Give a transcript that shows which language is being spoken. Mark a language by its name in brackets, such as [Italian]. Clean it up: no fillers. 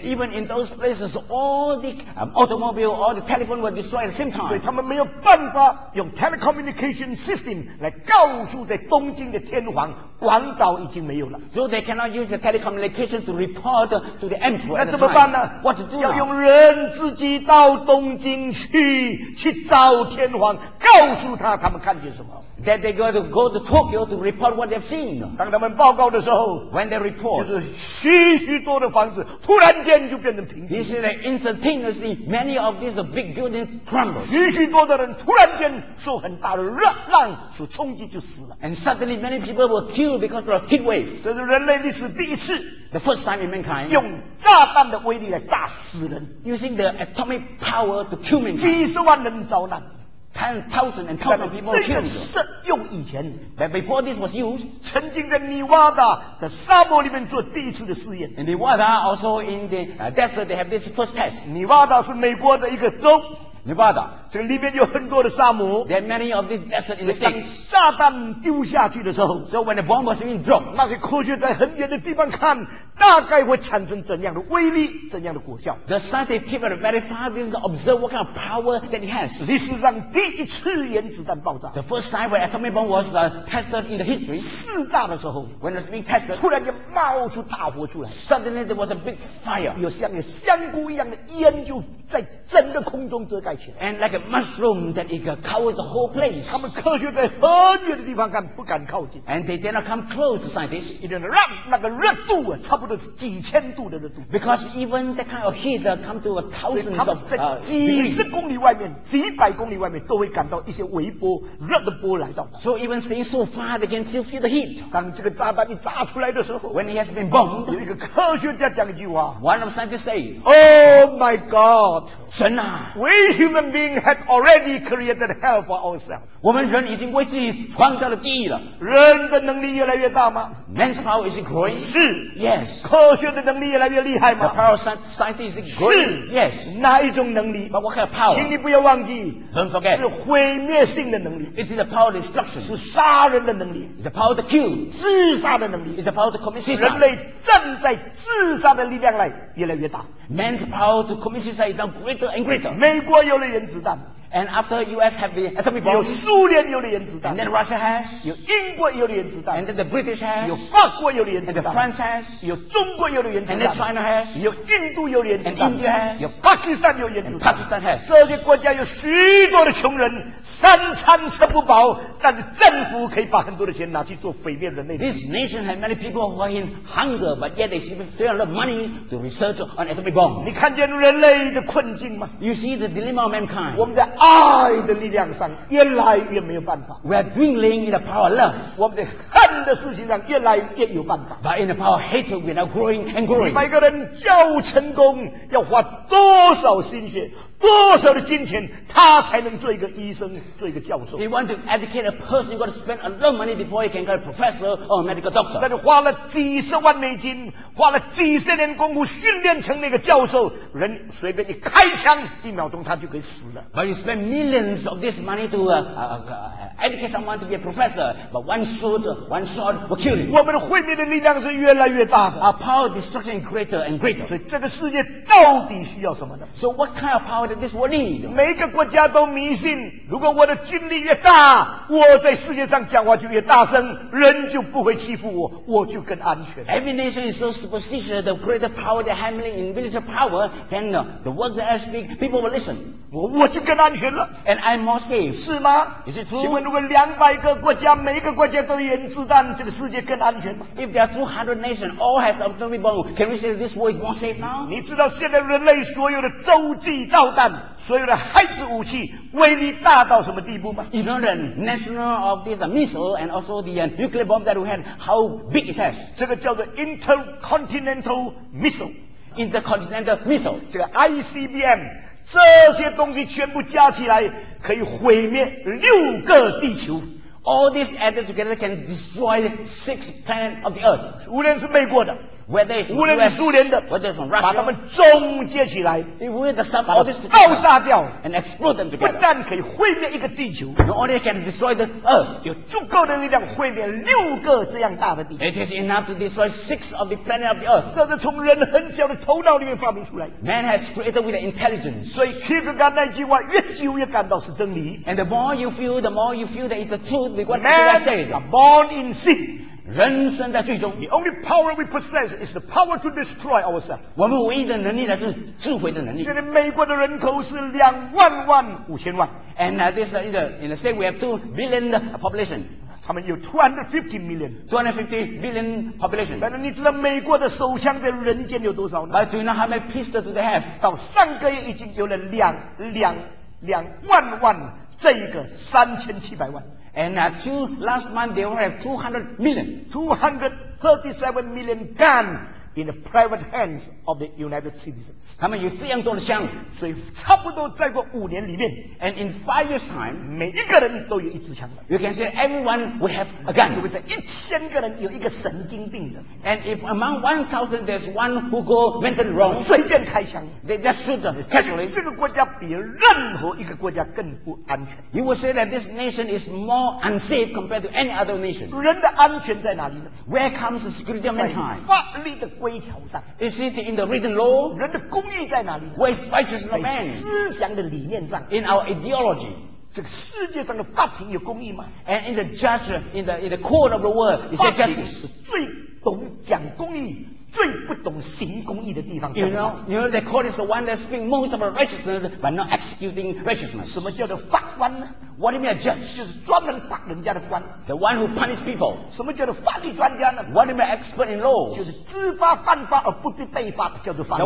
[English] And even in those places， all the automobile， all the telephone were destroyed at the same time。 [Chinese] 所以他们没有办法用 telecommunication system 来告诉在东京的天皇，广岛已经没有了。 [English] So they cannot use the telecommunication to report to the emperor。 [Chinese] 那怎么办呢 [English] ？What to do？ [Chinese] 要用人自己到东京去找天皇，告诉他他们看见什么。 [English] That they got to go to Tokyo to report what they've seen。 [Chinese] 当他们报告的时候 [English] ，When they report， [Chinese] 就是许许多的房子突然间就变成平地。 [English] He said that instantaneously many of these big buildings crumbled。 [Chinese] 许许多的人突然间受很大的热浪所冲击就死了。 [English] And suddenly many people were killed because of heat waves。 [Chinese] 这是人类历史第一次 [English] ，The first time in mankind， [Chinese] 用炸弹的威力来炸死人 [English] ，Using the atomic power to kill men。 [Chinese] 几十万人遭难。 [English] Thousands and thousands of people killed. [Chinese] 这个是用以前 [English] ，but before this was used. [Chinese] 曾经在尼瓦达的沙漠里面做第一次的试验。 [English] In Nevada, also in the desert, they have this first test. [Chinese] 尼瓦达是美国的一个州。 [English] Nevada. [Chinese] 这里面有很多的沙漠。 [English] There are many of these deserts in the state. [Chinese] 当炸弹丢下去的时候 [English] ，so when the bomb was being dropped, [Chinese] 那些科学在很远的地方看，大概会产生怎样的威力，怎样的果效 [English] ？The scientists are very far from to observe what kind of power that it has. [Chinese] 历史上第一次原子弹爆炸 [English] ，the first time when atomic bomb was tested in the history. [Chinese] 试炸的时候 [English] ，when it's being tested, [Chinese] 突然间冒出大火出来 [English] ，suddenly there was a big fire. [Chinese] 有像香菇一样的烟就在整个空中遮盖起来 [English] ，and like a mushroom that it covers the whole place. [Chinese] 他们科学在很远的地方看，不敢靠近 [English] ，and they did not come close to scientists. [Chinese] 因为让那个热度啊，差不多。或者是几千度的热度 [English] ，because even that kind of heat come to a thousands of [Chinese] 所以他们在几十公里外面、几百公里外面都会感到一些微波、热的波来到。 [English] So even staying so far, they can still feel the heat. [Chinese] 当这个炸弹一炸出来的时候 [English] ，when it has been bombed, [Chinese] 有一个科学家讲一句话 [English] ，one of scientists say, "Oh my God, [Chinese] 神啊 [English] ，we human being had already created hell for ourselves." [Chinese] 我们人已经为自己创造了地狱了。人的能力越来越大吗 [English] ？Man's power is growing. [Chinese] 是 [English] ，yes. [Chinese] 科学的能力越来越厉害吗 [English] ？The power of science is growing. Yes. [Chinese] 哪一种能力 [English] ？But what kind of power? [Chinese] 请你不要忘记 [English] ，Don't forget. [Chinese] 是毁灭性的能力。 [English] It is the power of destruction. [Chinese] 是杀人的能力。 [English] It's the power to kill. [Chinese] 自杀的能力。 [English] It's the power to commit suicide. [Chinese] 人类正在自杀的力量来越来越大。 [English] Man's power to commit suicide is now greater and greater. [Chinese] 美国有了原子弹。 [English] And after U.S. have the atomic bomb, [Chinese] 有苏联有了原子弹 [English] ，and then Russia has, [Chinese] 有英国有了原子弹 [English] ，and then the British has, [Chinese] 有法国有了原子弹 [English] ，and the France has, [Chinese] 有中国有了原子弹 [English] ，and then China has, [Chinese] 有印度有了原子弹 [English] ，and India has, [Chinese] 有巴基斯坦有原子弹 [English] ，Pakistan has。 [Chinese] 这些国家有许多的穷人，三餐吃不饱，但是政府可以把很多的钱拿去做毁灭人类。 [English] This nation has many people who are in hunger, but yet they spend a lot of money to research on atomic bomb. [Chinese] 你看见人类的困境吗 [English] ？You see the dilemma of mankind. [Chinese] 我们在爱的力量上越来越没有办法。 [English] We are dwindling in the power of love. [Chinese] 我们在恨的事情上越来越有办法。 [English] But in the power of hatred, we are now growing and growing. [Chinese] 每个人要成功，要花多少心血？多少的金钱他才能做一个医生做一个教授 [English] If you want to educate a person you got to spend a lot of money before you can get a professor or a medical doctor [Chinese] 那就花了几十万美金花了几十年功夫训练成那个教授人随便一开枪一秒钟他就可以死了 [English] But you spend millions of this money to educate someone to be a professor but one shot will kill you [Chinese] 我们毁灭的力量是越来越大的 [English] Our power of destruction is greater and greater [Chinese] 所以这个世界到底需要什么呢 [English] So what kind of power that this world need. [Chinese] 每一个国家都迷信如果我的军力越大我在世界上讲话就越大声人就不会欺负我我就更安全 [English] Every nation is so superstitious the greater power they're handling in military power then the words that I speak people will listen [Chinese] 我就更安全了 [English] And I'm more safe [Chinese] 是吗 [English] Is it true [Chinese] 请问如果200个国家每一个国家都有原子弹这个世界更安全吗 [English] If there are 200 nations all have atomic bombs can we say that this world is more safe now [Chinese] 你知道现在人类所有的洲际导弹 [English] son. [Chinese] 所有的孩子武器威力大到什么地步吗？ [English] You know the national of this missile and also the nuclear bomb that we had, how big it has. [Chinese] 这个叫做 intercontinental missile. [English] Intercontinental missile. [Chinese] 这个 ICBM, 这些东西全部加起来可以毁灭六个地球。 [English] All this added together can destroy 6 planets of the earth. [Chinese] 无论是美国的 [English] whether it's [Chinese] 无论是苏联的 [English] whether it's from Russia, [Chinese] 把它们终结起来 [English] if we the sum, [Chinese] 把它们爆炸掉 [English] and explode them together, [Chinese] 不但可以毁灭一个地球 [English] not only can destroy the earth, [Chinese] 有足够的力量毁灭六个这样大的地球 [English] it is enough to destroy 6 of the planets of the earth. [Chinese] 这是从人很小的头脑里面发明出来 [English] Man has created with intelligence. [Chinese] 所以 Kierkegaard 那句话越久越感到是真理 [English] and the more you feel, the more you feel that it's the truth. Man are born in sin. [Chinese] 人生在罪中。 [English] The only power we possess is the power to destroy ourselves. [Chinese] 我们唯一的能力呢是智慧的能力。现在美国的人口是25,000,000。 [English] And this in the state we have 2 billion population. [Chinese] 他们有250 million. [English] 250 billion population. [Chinese] 但是你知道美国的手枪在人间有多少呢 [English] ？But do you know how many pistols do they have? [Chinese] 到上个月已经有了两万万，这一个3,700,000。 [English] And last month they only have 200 million. 237 million gun in the private hands of the United citizens. [Chinese] 他们有这样多的枪，所以差不多再过5年里面 [English] ，and in 5 years time， [Chinese] 每一个人都有一支枪了。 [English] You can say everyone will have a gun. [Chinese] 就是1,000个人有一个神经病的。 [English] And if among 1,000 there's one who go mentally wrong， [Chinese] 随便开枪 [English] ，they just shoot casually。 [Chinese] 这个国家比任何一个国家更不安全。 [English] You will say that this nation is more unsafe compared to any other nation. [Chinese] 人的安全在哪里呢 [English] ？Where comes the security of mankind？ [Chinese] 法律的规条上。 [English] Is it in the written law？ [Chinese] 人的公义在哪里？ [English] Where is righteousness of man？ [Chinese] 在思想的理念上。 [English] In our ideology。 [Chinese] 这个世界上的法庭有公义吗？ [English] And in the judge, in the court of the world, is there justice？ [Chinese] 法庭是最懂讲公义，最不懂行公义的地方。 [English] You know, the court is the one that speaks most about righteousness, but not executing righteousness. [Chinese] 什么叫做法官呢？ [English] What do you mean a judge? [Chinese] 就是专门罚人家的官。 [English] The one who punishes people. [Chinese] 什么叫做法律专家呢？ [English] What do you mean expert in law? [Chinese] 就是知法犯法而不必被罚的叫做法律。